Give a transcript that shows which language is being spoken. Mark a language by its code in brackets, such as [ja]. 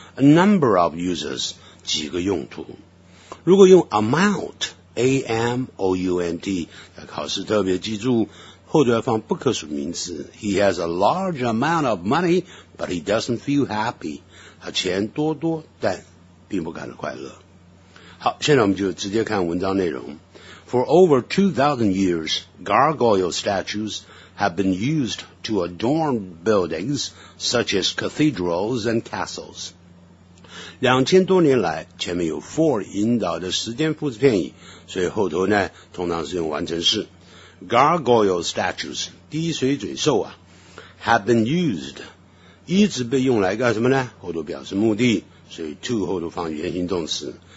[en] A number of users, [zh] 几个用途。如果用 amount, A-M-O-U-N-T, 考试特别记住，后头要放不可数名词。 [en] He has a large amount of money, but he doesn't feel happy. [zh] 他钱多多，但并不感到快乐。好，现在我们就直接看文章内容。 [en] For over 2,000 years, gargoyle statues have been used to adorn buildings such as cathedrals and castles. [zh] 两千多年来，前面有 for 引导的时间副词片语，所以后头呢通常是用完成式。 Gargoyle statues, 滴水嘴兽啊 , [en] have been used, [zh] 一直被用来干什么呢？后头表示目的，所以 to 后头放原形动词。